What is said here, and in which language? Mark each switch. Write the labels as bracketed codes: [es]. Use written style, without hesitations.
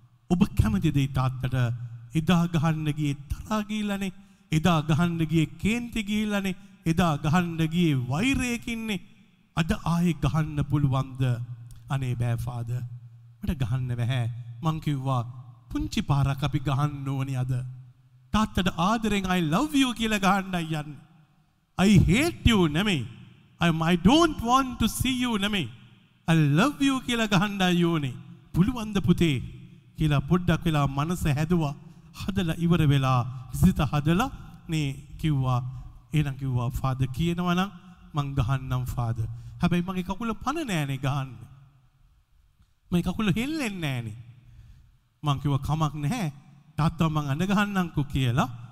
[si] ඔබ කැමති දෙයි තාත්තට එදා ගහන්න ගියේ තරහා ගිහිල්ලානේ, එදා ගහන්න ගියේ කේන්ති ගිහිල්ලානේ, එදා ගහන්න ගියේ වෛරයකින්නේ. අද ආයේ ගහන්න පුළුවන්ද?" "අනේ බෑ ෆාදර්, මට ගහන්න බෑ." මං කිව්වා, "පුංචි පාරක් අපි ගහන්න ඕනේ අද. තාත්තට ආදරෙන් [en] I love you [si] කියලා ගහන්නයි යන්නේ. [en] I hate you [si] නෙමෙයි, [en] I don't want to see you [si] නෙමෙයි, [en] I love you [si] කියලා ගහන්නයි ඕනේ. පුළුවන්ද පුතේ?" කියලා පොඩ්ඩක් වෙලා මනස හැදුවා. හදලා ඉවර වෙලා සිත හදලා නේ කිව්වා, එහෙනම් කිව්වා, "ෆාදර් කියනවා නම් මං ගහන්නම් ෆාදර්. හැබැයි මගේ කකුල පණ නෑනේ ගහන්න. මගේ කකුල හෙල්ලෙන්නේ නෑනේ." මං කිව්වා, "කමක් නැහැ. තාත්තා මං අඬ ගහන්නම්කෝ" කියලා.